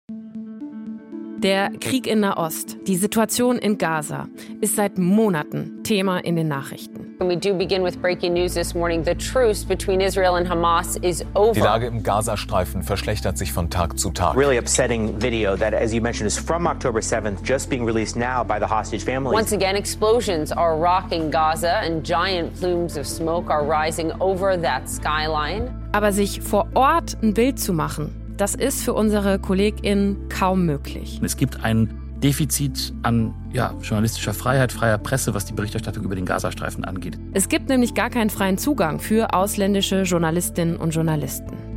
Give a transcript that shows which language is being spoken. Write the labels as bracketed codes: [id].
[de] Der Krieg in Nahost, die Situation in Gaza, ist seit Monaten Thema in den Nachrichten. [en] We do begin with breaking news this morning. The truce between Israel and Hamas is over. [de] Die Lage im Gazastreifen verschlechtert sich von Tag zu Tag. [en] Really upsetting video that, as you mentioned, is from October 7th, just being released now by the hostage families. Once again, explosions are rocking Gaza and giant plumes of smoke are rising over that skyline. [de] Aber sich vor Ort ein Bild zu machen, das ist für unsere KollegInnen kaum möglich. Es gibt ein Defizit an journalistischer Freiheit, freier Presse, was die Berichterstattung über den Gazastreifen angeht. Es gibt nämlich gar keinen freien Zugang für ausländische Journalistinnen und Journalisten.